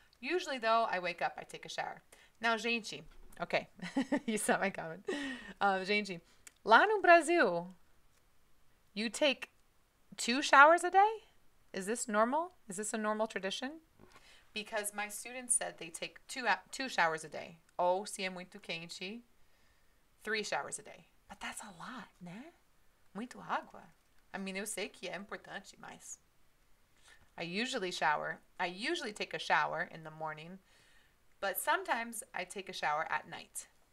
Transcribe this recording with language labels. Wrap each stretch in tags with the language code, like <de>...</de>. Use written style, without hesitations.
<en>Usually, though, I wake up, I take a shower. Now, gente. Okay. You saw my comment. Gente.</en> <pt>Lá no Brasil,</pt> <en>you take two showers a day? Is this normal? Is this a normal tradition? Because my students said they take two showers a day.</en> <pt>Ou se é muito quente,</pt> <en>three showers a day. But that's a lot,</en> <pt>né? Muito água.</pt> <en>I mean,</en> <pt>eu sei que é importante, mas.</pt> <en>I usually take a shower in the morning, but sometimes I take a shower at night.</en>